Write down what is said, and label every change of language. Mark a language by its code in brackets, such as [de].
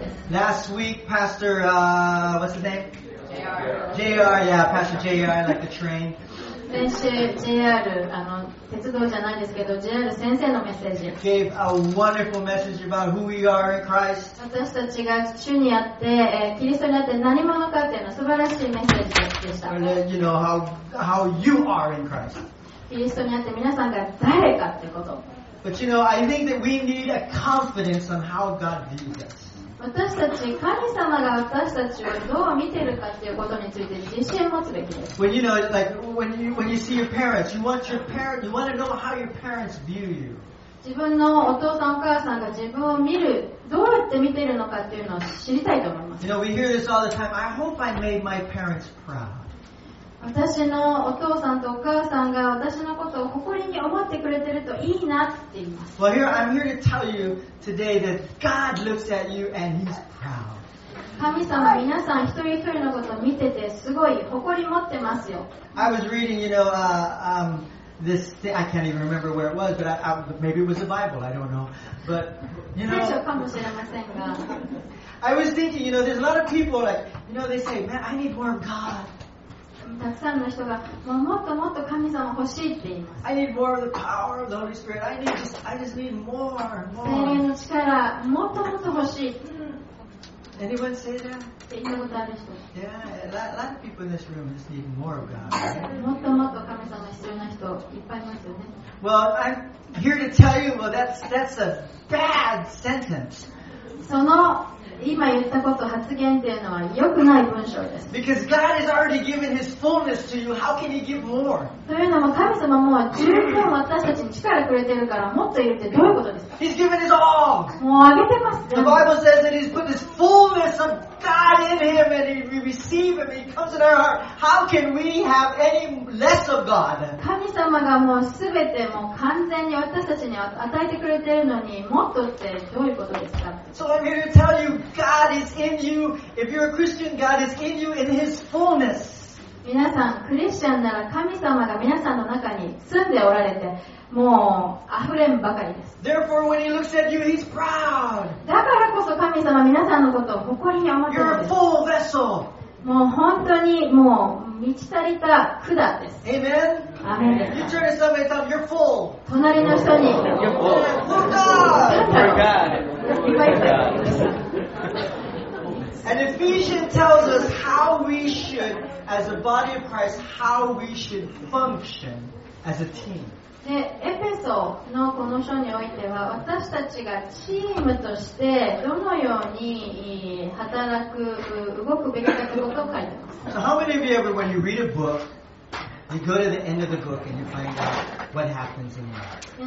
[en] Last week, Pastor, what's his name? JR, yeah, Pastor JR, like the train. [ja] 先週 JR、鉄道じゃないですけど、JR 先生のメッセージ。 [en] Gave a wonderful message about who we are in Christ. [ja] 私たちが主にあって、キリストにあって何者かというの素晴らしいメッセージでした。 [en] And you know how you are in Christ. [ja] キリストにあって皆さんが誰かってこと。 [en] But you know, I think that we need a confidence on how God views us. [ja] 私たち神様が私たちをどう見てるかっていうことについて自信を持つべきです。 [en] When you know, like when you see your parents, you want to know how your parents view you. [ja] 自分のお父さんお母さんが自分を見るどうやって見てるのかっていうのを知りたいと思います。 [en] You know, we hear this all the time. I hope I made my parents proud. [ja] 私のお父さんとお母さんが私のことを誇りに思ってくれてるといいなって言います。 [en] Well, here, I'm here to tell you today that God looks at you and He's proud. [ja] 神様、皆さん一人一人のことを見ててすごい誇り持ってますよ。 [en] I was reading, you know, this thing, I can't even remember where it was, but maybe it was the Bible, I don't know. But, you know, [ja] 聖書かもしれませんが。 [en] I was thinking, you know, there's a lot of people like, you know, they say, man, I need more of God. [ja] たくさんの人が もっともっと神様欲しいって言います。 [en] I need more of the power of the Holy Spirit. I just need more. [ja] 聖霊の力もっともっと欲しい。 [en] Anyone say that? [ja] って言ったことある人。 [en] Yeah, a lot of people in this room just need more of God. [ja] もっともっと神様必要な人いっぱいいますよね。 [en] Well, I'm here to tell you, well, that's a bad sentence. [ja] その今言ったこと発言というのは良くない文章です。 [en] Because God has already given His fullness to you, how can He give more? [ja] というのも神様もう十分私たちに力くれてるからもっといるってどういうことですか [en] ？He's given His all. [ja] もうあげてます。 [en] The Bible says that He's put His fullness of God in Him, and we receive Him, and He comes in our heart. How can we have any less of God? [ja] 神様がもうすべてもう完全に私たちに与えてくれてるのにもっとってどういうことですか [en] ？So I'm here to tell you.God is in you. If you're a Christian, God is in you in His fullness. [ja] 皆さんクリスチャンなら神様が皆さんの中に住んでおられてもう溢れんばかりです。 [en] Therefore, when he looks at you, he's proud. [ja] だからこそ神様皆さんのことを誇りに思ってます。 [en] You're a full vessel. [ja] もう本当にもう満ち足りた管です。 [en] Amen. Amen. You turn to somebody and tell them, you're full. [ja] 隣の人に、 [en] you're full. Full God. Full God. And Ephesians tells us how we should, as a body of Christ, how we should function as a team. [ja] でエペソのこの書においては私たちがチームとしてどのように働く動くべきかということを書いてます。 [en] So how many of you ever when you read a book, you go to the end of the book and you find out what happens in there?